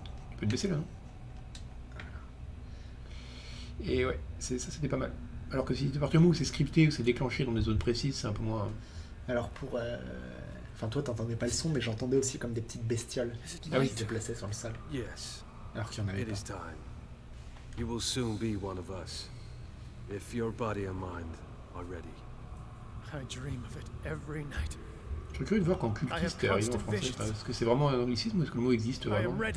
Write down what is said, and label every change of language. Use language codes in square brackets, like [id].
[fr] Tu peux te baisser là, non? Et ouais, ça c'était pas mal. Alors que si à partir du moment où c'est scripté, où c'est déclenché dans des zones précises, c'est un peu moins. Alors pour. Enfin, toi, t'entendais pas le son, mais j'entendais aussi comme des petites bestioles qui se déplaçaient sur le sol. [en] Yes. [fr] Alors qu'il y en avait [en] pas. It is time. You will soon be one of us. If your body and mind are ready. I dream of it every night. [fr] Je suis curieux de voir quand cultiste est arrivé en français. Est-ce que c'est vraiment un anglicisme ou est-ce que le mot existe vraiment?